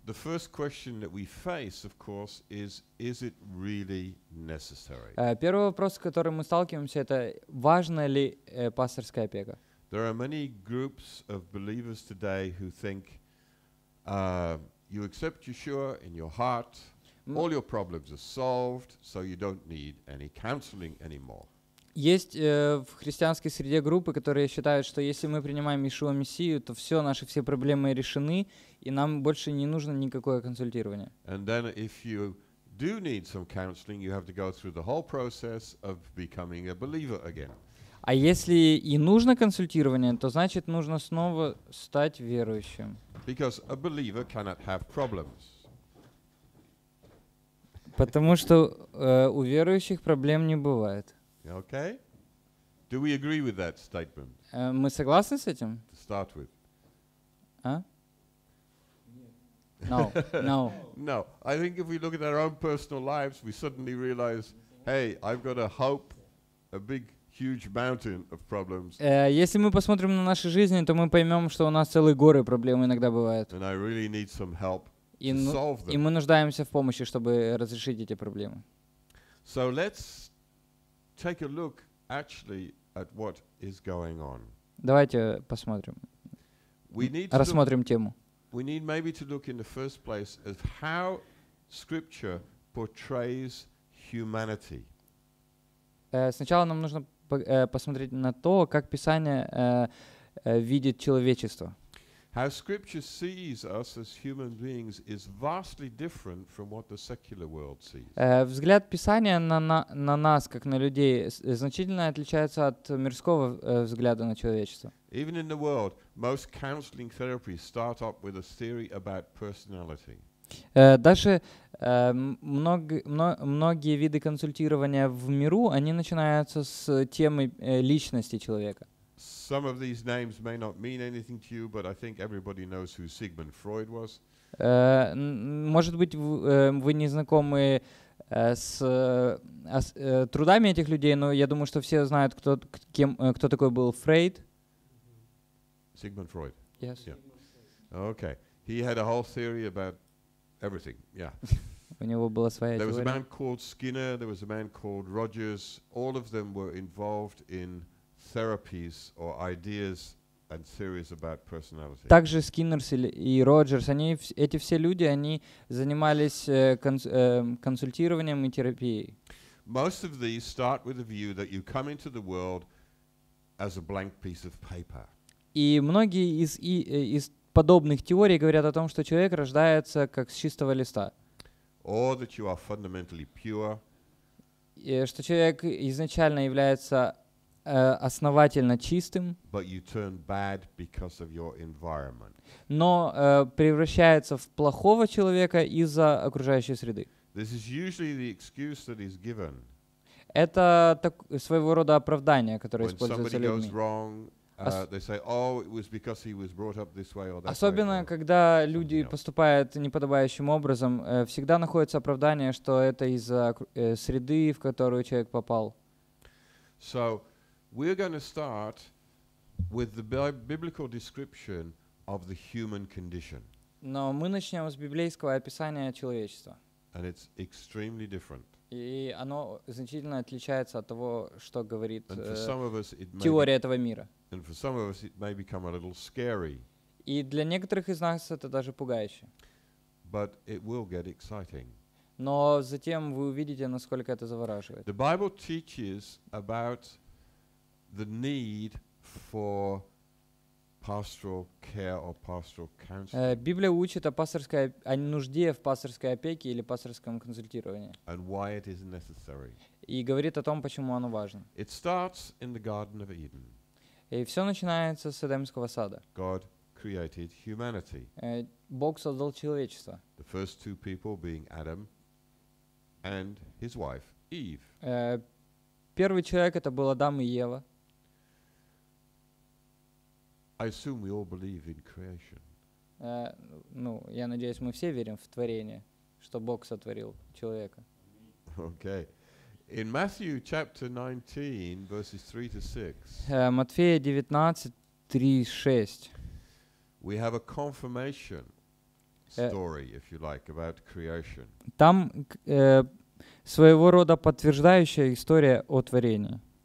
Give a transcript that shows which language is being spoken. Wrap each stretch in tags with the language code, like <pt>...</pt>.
<en>The first question that we face, of course, is it really necessary?</en> <ru>Первый вопрос, с которым мы сталкиваемся, это важна ли пасторская опека?</ru> <en>There are many groups of believers today who think you accept Yeshua in your heart, all your problems are solved, so you don't need any counseling anymore.</en> <ru>Есть в христианской среде группы, которые считают, что если мы принимаем Иешуа Мессию, то все наши все проблемы решены, и нам больше не нужно никакое консультирование.</ru> <en>And then if you do need some counseling, you have to go through the whole process of becoming a believer again.</en> <ru>А если и нужно консультирование, то значит нужно снова стать верующим.</ru> <en>Because a believer cannot have problems.</en> <ru>Потому что у верующих проблем не бывает.</ru> <en>Okay. Do we agree with that statement?</en> <ru>Мы согласны с этим?</ru> <en>To start with. А? No. No. I think if we look at our own personal lives, we suddenly realize, hey, I've got a hope, a big huge mountain of problems.</en> <ru>Если мы посмотрим на наши жизни, то мы поймем, что у нас целые горы проблем иногда бывают.</ru> <en>And I really need some help to solve them.</en> <ru>И мы нуждаемся в помощи, чтобы разрешить эти проблемы.</ru> <en>So let's take a look actually at what is going on.</en> <ru>Давайте посмотрим. Рассмотрим тему.</ru> <en>We need maybe to look in the first place at how scripture portrays humanity.</en> <ru>Сначала нам нужно посмотреть на то, как Писание видит человечество.</ru> <en>How Scripture sees us as human beings is vastly different from what the secular world sees.</en> <ru>Взгляд Писания на нас, как на людей, значительно отличается от мирского взгляда на человечество.</ru> <en>Even in the world, most counseling therapies start up with a theory about personality.</en> <ru>Даже многие виды консультирования в миру, они начинаются с темы личности человека.</ru> <en>Some of these names may not mean anything to you, but I think everybody knows who Sigmund Freud was.</en> <ru>Может быть, вы не знакомы с трудами этих людей, но я думаю, что все знают, кто такой был Фрейд.</ru> <en>Sigmund Freud. Yes. Yeah. Okay. He had a whole theory about everything. Yeah.</en> <ru>У него была своя теория.</ru> <en>There was a man called Skinner. There was a man called Rogers. All of them were involved in therapies or ideas and theories about personality.</en> <ru>Также Skinner и Rogers, они эти все люди, они занимались консультированием и терапией.</ru> <en>Most of these start with the view that you come into the world as a blank piece of paper.</en> <ru>И многие из подобных теорий говорят о том, что человек рождается как с чистого листа.</ru> <en>Or that you are fundamentally pure.</en> <ru>И что человек изначально является основательно чистым.</ru> <en>But you turn bad because of your environment.</en> <ru>Но превращается в плохого человека из-за окружающей среды.</ru> <en>This is usually the excuse that is given.</en> <ru>Это своего рода оправдание, которое</ru> <en>when</en> <ru>используется</ru> <en>somebody</en> <ru>людьми.</ru> <en>Goes wrong, they say, oh, it was because he was brought up this way or that.</en> <ru>Особенно</ru> <en>way, or</en> <ru>когда люди поступают неподобающим образом, всегда находится оправдание, что это из-за среды, в которую человек попал.</ru> <en>So we're going to start with the biblical description of the human condition.</en> <ru>Но мы начнем с библейского описания человечества.</ru> <en>And it's extremely different.</en> <ru>И оно значительно отличается от того, что говорит теория этого мира.</ru> <en>And for some of us it may become a little scary.</en> <ru>И для некоторых из нас это даже пугающе.</ru> <en>But it will get exciting.</en> <ru>Но затем вы увидите, насколько это завораживает.</ru> <en>The Bible teaches about the need for pastoral care or pastoral counseling.</en> <ru>Библия учит о пасторской, о нужде в пасторской опеке или пасторском консультировании.</ru> <en>And why it is necessary.</en> <ru>И говорит о том, почему оно важно.</ru> <en>It starts in the Garden of Eden.</en> <ru>И все начинается с Эдемского сада.</ru> <en>God created humanity.</en> <ru>Бог создал человечество.</ru> <en>The first two people being Adam and his wife Eve.</en> <ru>Первый человек это был Адам и Ева.</ru> <en>I assume we all believe in creation.</en> <ru>Ну, я надеюсь, мы все верим в творение, что Бог сотворил человека.</ru> <en>Okay. In Matthew chapter 19, verses 3 to 6.</en> <ru>Матфея 19:3-6.</ru> <en>We have a confirmation story, if you like, about creation.</en> <ru>Там своего рода подтверждающая история о творении.</ru>